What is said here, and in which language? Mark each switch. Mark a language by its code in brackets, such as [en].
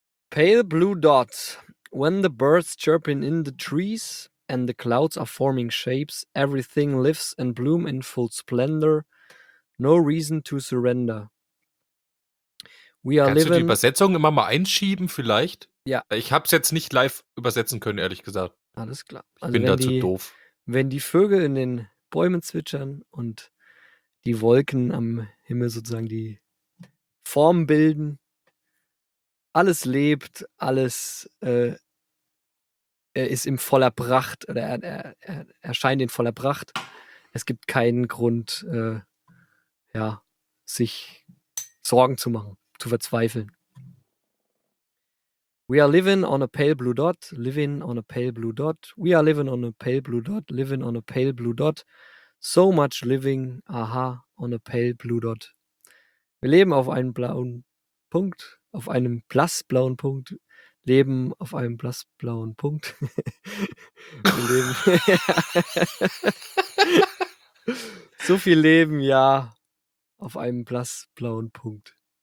[en] Pale blue dot, when the birds chirping in the trees and the clouds are forming shapes, everything lives and bloom in full splendor, no reason to surrender. We are living. [de] Kannst du die Übersetzung immer mal einschieben vielleicht? Ja. Ich habe es jetzt nicht live übersetzen können, ehrlich gesagt. Alles klar. Ich also bin da zu doof. Wenn die Vögel in den Bäumen zwitschern und die Wolken am Himmel sozusagen die Form bilden, alles lebt, alles ist in voller Pracht oder erscheint in voller Pracht. Es gibt keinen Grund, sich Sorgen zu machen, zu verzweifeln. [en] We are living on a pale blue dot, living on a pale blue dot. We are living on a pale blue dot, living on a pale blue dot. So much living, aha, on a pale blue dot. [de] Wir leben auf einem blauen Punkt. Auf einem blassblauen Punkt leben, auf einem blassblauen Punkt leben. So viel Leben, ja, auf einem blassblauen Punkt.